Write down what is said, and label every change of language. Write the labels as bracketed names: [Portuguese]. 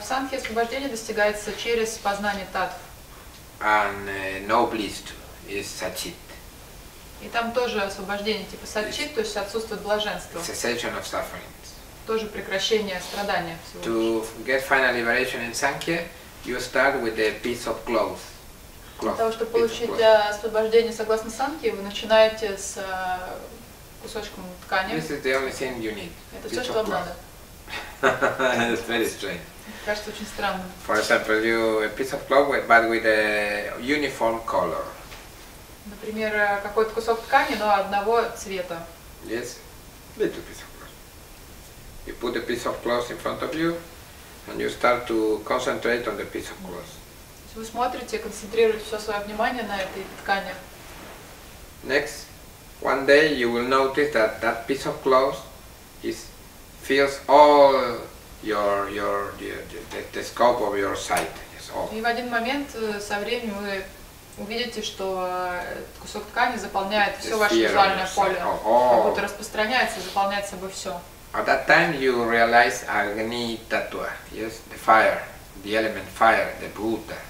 [Russian] В санхе освобождение достигается через познание таттв. [English] And no bliss too, is сатчит. [Russian] И там тоже освобождение типа сатчит, то есть отсутствие блаженства. [English] Cessation of suffering. [Russian] Тоже прекращение страдания всего. [English] To get final liberation in Sankhya, you start with a piece of cloth. [Russian] Для того, чтобы получить освобождение согласно санхе, вы начинаете с кусочком ткани. [English] This is the only thing you need. [Russian] Это все, что вам надо. [English] It's very strange. [Russian] Кажется, очень странно. [English] For example, you a piece of cloth, but with a uniform color. Например, какой-то кусок ткани, но одного цвета. Yes, little piece of cloth. You put a piece of cloth in front of you, and you start to concentrate on the piece of cloth. [Russian] То есть вы смотрите, концентрируете все свое внимание на этой ткани. [English] Next, one day you will notice that that piece of cloth is fills all your the scope of your sight. [Russian] И в один момент со временем вы увидите, что кусок ткани заполняет все ваше визуальное поле, как будто распространяется, заполняет собой все. [English] At that time you realize Agni Tattva, yes, the fire, the element fire, the Buddha.